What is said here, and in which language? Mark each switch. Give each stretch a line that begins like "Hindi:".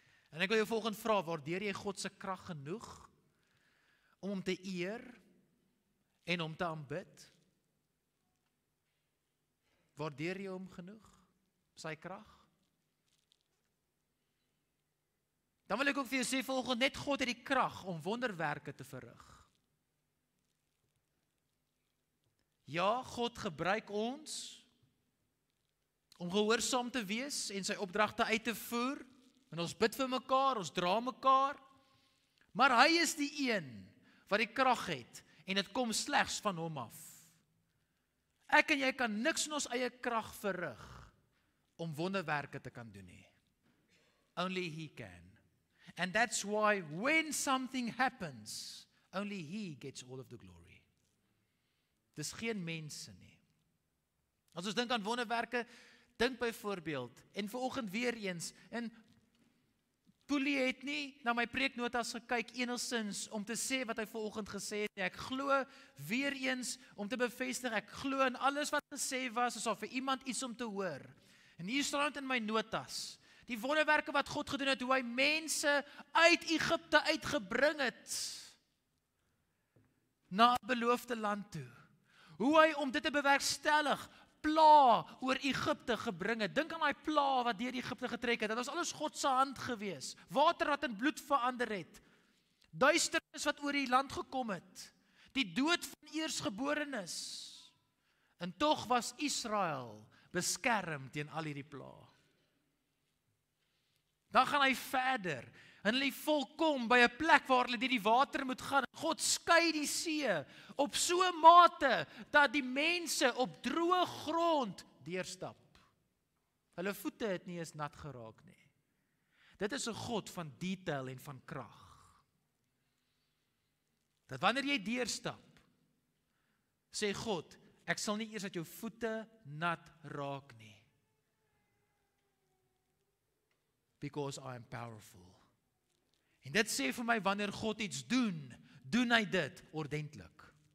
Afrikaans: En ek wil jou volgende vraag, waardeer jy Godse kracht genoeg om hom te eer en om te aanbid? Waardeer jy hom genoeg, sy kracht? Dan wil ek ook vir jou sê volgende, net God het die kracht om wonderwerke te verrig. Ja, God gebruik ons om gehoorsaam te wees en sy opdragte uit te voer. En ons bid vir mekaar, ons dra mekaar, maar hy is die een wat die krag het, en het kom slegs van hom af. Ek en jy kan niks in ons eie krag verrig, om wonderwerke te kan doen nie.
English: Only he can. And that's why when something happens, only he gets all of the glory.
Afrikaans: Dis geen mense nie. As ons dink aan wonderwerke, dink byvoorbeeld, en vanoggend weer eens, en Poelie het nie na my preeknotas gekyk enigszins om te sê wat hy vanoggend gesê het. Ek glo weer eens om te bevestig, ek glo in alles wat gesê was, asof vir iemand iets om te hoor. En hier staan in my notas, die wonderwerke wat God gedoen het, hoe hy mense uit Egypte uitgebring het, na het beloofde land toe. Hoe hy om dit te bewerkstellig, pla oor Egypte gebring het. Dink aan die pla wat deur Egypte getrek het. Dit was alles Godse hand gewees. Water wat in bloed verander het. Duisternis wat oor die land gekom het. Die dood van eersgeborenes. En toch was Israel beskerm teen al hierdie pla. Dan gaan hy verder. En hulle volkom by 'n plek waar hulle die water moet gaan. God skei die see op so 'n mate dat die mense op droë grond deurstap. Hulle voete het nie eens nat geraak nie. Dit is 'n God van detail en van krag. Dat wanneer jy deurstap, sê God, ek sal nie eers dat jou voete nat raak nie.
English: Because I am powerful.
Afrikaans: En dit sê vir my, wanneer God iets doen, doen hy dit ordentlik.